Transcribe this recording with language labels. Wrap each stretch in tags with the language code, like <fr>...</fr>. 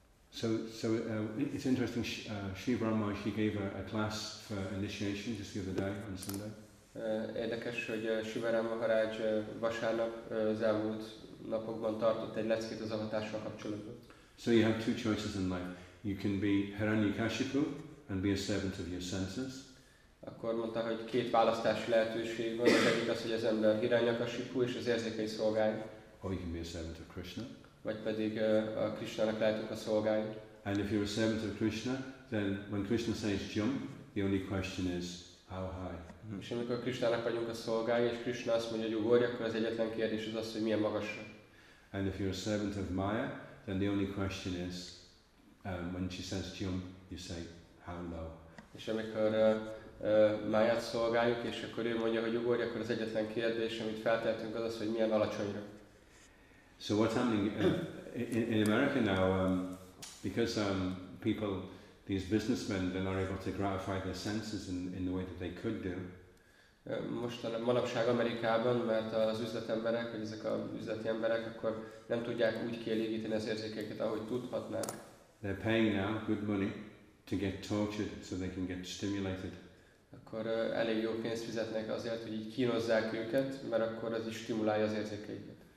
<en>So it's interesting, Shiva Ramaj, he gave a class for initiation just the other day on Sunday.</en> <hu>Érdekes, hogy Shiva Ramaj vasárnap az elmúlt napokban tartott egy leckét az avatással kapcsolatban.</hu> <en>So you have two choices in life. You can be Hiranyakashipu and be a servant of your senses.</en> <hu>Akkor mondta, hogy két választási lehetőség van, az egyik az, hogy az ember Hiranyakashipu és az érzékei szolgálja.</hu> <en>Or you can be a servant of Krishna.</en> <hu>Vagy pedig a Krishnának lehetünk a szolgái.</hu> <en>And if you're a servant of Krishna, then when Krishna says jump, the only question is how high. Mm-hmm.</en> <hu>És amikor Krishnának vagyunk a szolgái, és Krishna azt mondja, hogy ugorj, akkor az egyetlen kérdés az az, hogy milyen magasra.</hu> <en>And if you're a servant of Maya, then the only question is when she says jump, you say how low.</en> <hu>És amikor Maya-t szolgáljuk, és akkor ő mondja, hogy ugorj, akkor az egyetlen kérdés, amit feltehetünk, az az, hogy milyen alacsonyra.</hu> <en>So what's happening in America now, because people, these businessmen, they're not able to gratify their senses in the way that they could do.</en> <hu>Manapság Amerikában, mert az üzletemberek, vagy ezek a üzleti emberek, akkor nem tudják úgy kielégíteni az érzékeket, ahogy tudhatnák.</hu> <en>They're paying now good money to get tortured so they can get stimulated.</en> <hu>Akkor elég jó pénzt fizetnek azért, hogy így kínozzák őket, mert akkor az is stimulálja az érzékeiket.</hu>